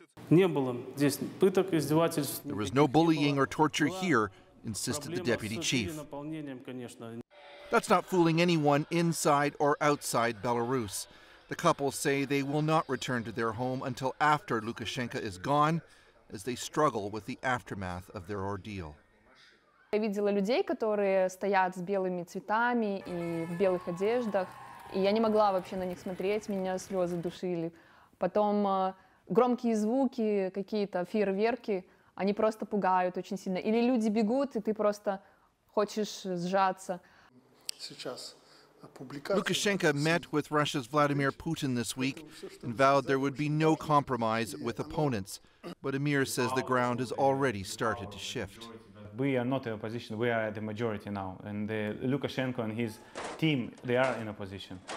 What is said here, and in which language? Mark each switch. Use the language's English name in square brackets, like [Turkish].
[English] There was no bullying or torture here, insisted the deputy chief. That's not fooling anyone inside or outside Belarus. The couple say they will not return to their home until after Lukashenko is gone, as they struggle with the aftermath of their ordeal. [Russian] Я видела людей, которые стоят с белыми цветами и в белых одеждах, и я не могла вообще на них смотреть, меня слезы душили. Потом громкие звуки, какие-то фейерверки, они просто пугают очень сильно. Или люди бегут, и ты просто хочешь сжаться. Сейчас [English] Lukashenko met with Russia's Vladimir Putin this week and vowed there would be no compromise with opponents. But Amir says the ground has already started to shift. We are not in opposition, we are at the majority now. And Lukashenko and his team, they are in opposition.